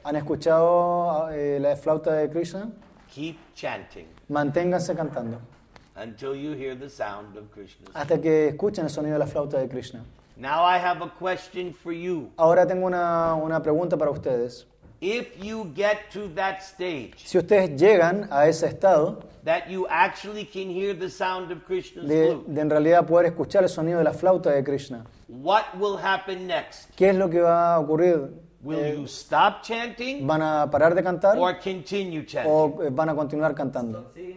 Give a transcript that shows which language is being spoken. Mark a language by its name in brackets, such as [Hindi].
[Spanish] ¿Han escuchado la flauta de Krishna? [English] Keep chanting. [Spanish] Manténganse cantando. [English] Until you hear the sound of Krishna. [Spanish] Hasta que escuchen el sonido de la flauta de Krishna. [English] Now I have a question for you. [Spanish] Ahora tengo una pregunta para ustedes. [English] If you get to that stage, [Spanish] si ustedes llegan a ese estado, [English] that you actually can hear the sound of Krishna's flute, [Spanish] de en realidad poder escuchar el sonido de la flauta de Krishna, [English] what will happen next? [Spanish] ¿Qué es lo que va a ocurrir? [English] Will you stop chanting? [Spanish] ¿Van a parar de cantar? [English] Or continue chanting? [Spanish] ¿O van a continuar cantando?